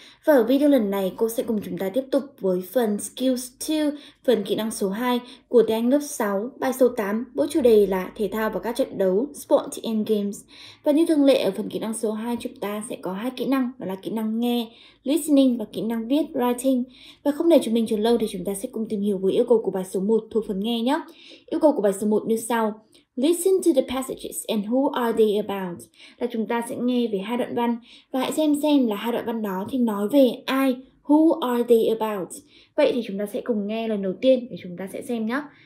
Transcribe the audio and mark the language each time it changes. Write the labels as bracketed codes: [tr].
[vi] Và ở video lần này, cô sẽ cùng chúng ta tiếp tục với phần Skills 2, phần kỹ năng số 2 của tiếng Anh lớp 6, bài số 8, với chủ đề là thể thao và các trận đấu, [en] Sports and Games. [vi] Và như thường lệ, ở phần kỹ năng số 2, chúng ta sẽ có hai kỹ năng, đó là kỹ năng nghe, listening và kỹ năng viết, writing. Và không để chúng mình chờ lâu thì chúng ta sẽ cùng tìm hiểu với yêu cầu của bài số 1 thuộc phần nghe nhé. Yêu cầu của bài số 1 như sau. [en] Listen to the passages and who are they about? [vi] Là chúng ta sẽ nghe về hai đoạn văn và hãy xem là hai đoạn văn đó thì nói về ai, [en] who are they about? [vi] Vậy thì chúng ta sẽ cùng nghe lần đầu tiên để chúng ta sẽ xem nhé.